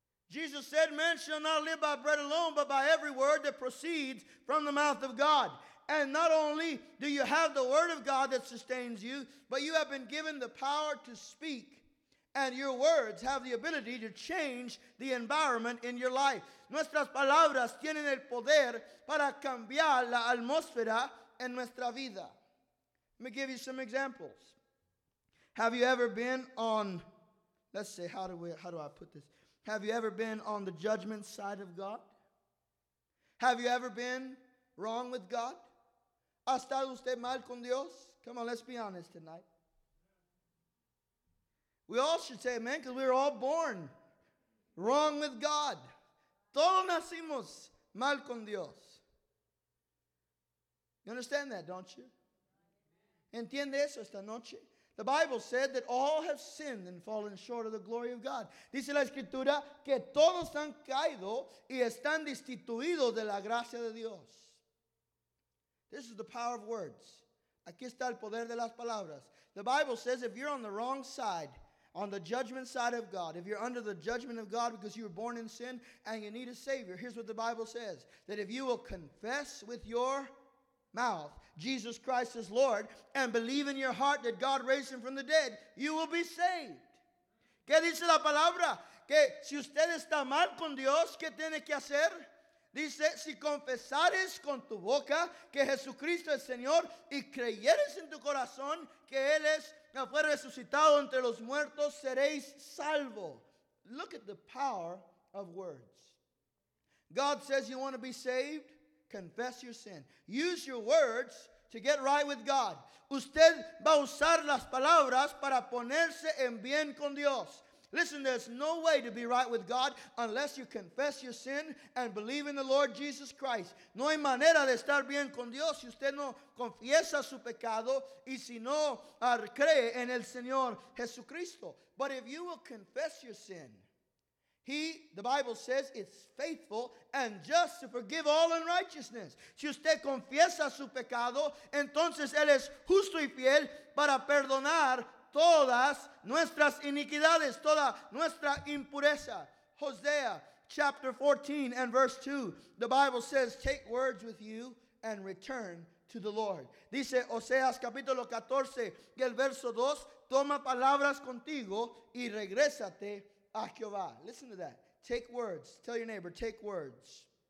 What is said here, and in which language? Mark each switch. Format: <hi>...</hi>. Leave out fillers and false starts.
<en>Jesus said, man shall not live by bread alone, but by every word that proceeds from the mouth of God. And not only do you have the word of God that sustains you, but you have been given the power to speak, and your words have the ability to change the environment in your life.</en> <es>Nuestras palabras tienen el poder para cambiar la atmósfera en nuestra vida.</es> <en>Let me give you some examples. Have you ever been on Let's say, how do I put this? Have you ever been on the judgment side of God? Have you ever been wrong with God?</en> <es>¿Ha estado usted mal con Dios?</es> <en>Come on, let's be honest tonight. We all should say amen, because we were all born wrong with God.</en> <es>Todos nacimos mal con Dios.</es> <en>You understand that, don't you?</en> <es>¿Entiende eso esta noche?</es> <en>The Bible said that all have sinned and fallen short of the glory of God.</en> <es>Dice la Escritura que todos han caído y están destituidos de la gracia de Dios.</es> <en>This is the power of words.</en> <es>Aquí está el poder de las palabras.</es> <en>The Bible says if you're on the wrong side, on the judgment side of God, if you're under the judgment of God because you were born in sin and you need a Savior, here's what the Bible says, that if you will confess with your mouth Jesus Christ is Lord and believe in your heart that God raised him from the dead, you will be saved.</en> <es>¿Qué dice la palabra? Que si usted está mal con Dios, ¿qué tiene que hacer? Dice, si confesares con tu boca que Jesucristo es Señor y creyeres en tu corazón que Él es, fue resucitado entre los muertos, seréis salvo.</es> <en>Look at the power of words. God says you want to be saved. Confess your sin. Use your words to get right with God.</en> <es>Usted va a usar las palabras para ponerse en bien con Dios.</es> <en>Listen, there's no way to be right with God unless you confess your sin and believe in the Lord Jesus Christ.</en> <es>No hay manera de estar bien con Dios si usted no confiesa su pecado y si no cree en el Señor Jesucristo.</es> <en>But if you will confess your sin, the Bible says, it's faithful and just to forgive all unrighteousness.</en> <es>Si usted confiesa su pecado, entonces él es justo y fiel para perdonar todas nuestras iniquidades, toda nuestra impureza.</es> <en>Hosea chapter 14 and verse 2. The Bible says, take words with you and return to the Lord.</en> <es>Dice Oseas capítulo 14 y el verso 2. Toma palabras contigo y regrésate a Jehová.</es> <en>Listen to that. Take words. Tell your neighbor, take words.</en>